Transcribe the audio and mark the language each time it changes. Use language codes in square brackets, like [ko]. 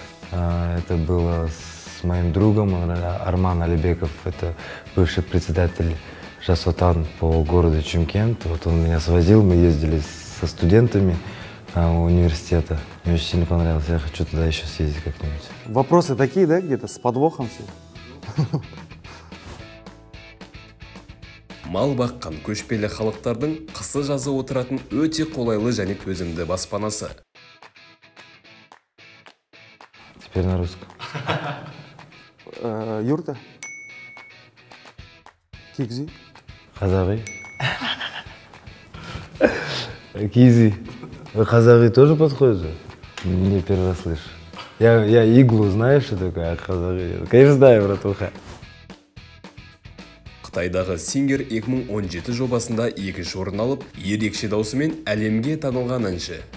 [ru] Это было с моим другом, Арман Алибеков, это бывший председатель Жас Отан по городу Чимкент. Вот он меня свозил, мы ездили со студентами университета. Мне очень сильно понравилось, я хочу туда еще съездить как-нибудь. Вопросы такие, да, где-то с подвохом все? [kk] Мал баққан көшпелі халықтардың қысы жазы отыратын өте қолайлы және төзімді баспанасы. [ru] Теперь на русском. Юрта. Кигзи. Хазавы. Кигзи. Хазавы тоже подходит же? Не первый раз слышу. Я иглу знаю, что такое хазавы. Конечно, знаю, братуха. [kk] Қытайдағы Сингер 2017 жобасында екінші орын алып, ерекше даусымен әлемге танылған әнші.